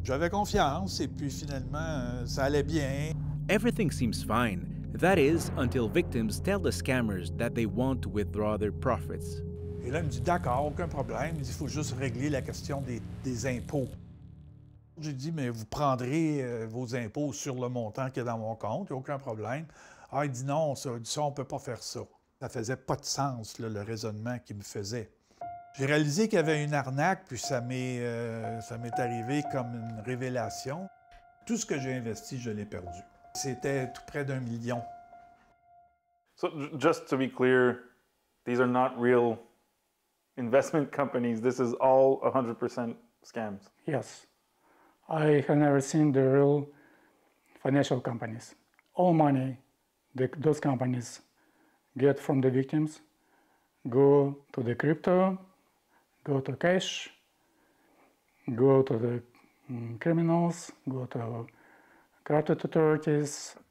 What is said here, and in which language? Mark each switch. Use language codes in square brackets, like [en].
[fr] J'avais confiance et puis finalement, ça allait bien. [en] Everything seems fine. That is, until victims tell the scammers that they want to withdraw their profits. [fr] Et là, il me dit, d'accord, aucun problème. Il faut juste régler la question des impôts. J'ai dit, mais vous prendrez vos impôts sur le montant qui est dans mon compte. Il n'y a aucun problème. Ah, il dit, non, ça, on ne peut pas faire ça. Ça ne faisait pas de sens, là, le raisonnement qu'il me faisait. J'ai réalisé qu'il y avait une arnaque, puis ça m'est arrivé comme une révélation. Tout ce que j'ai investi, je l'ai perdu. C'était tout près d'un million. [en] So, just to be clear, these are not real investment companies. This is all 100% scams. Yes. I have never seen the real financial companies. All money those companies get from the victims go to the crypto, go to cash, go to the criminals, go to credit authorities.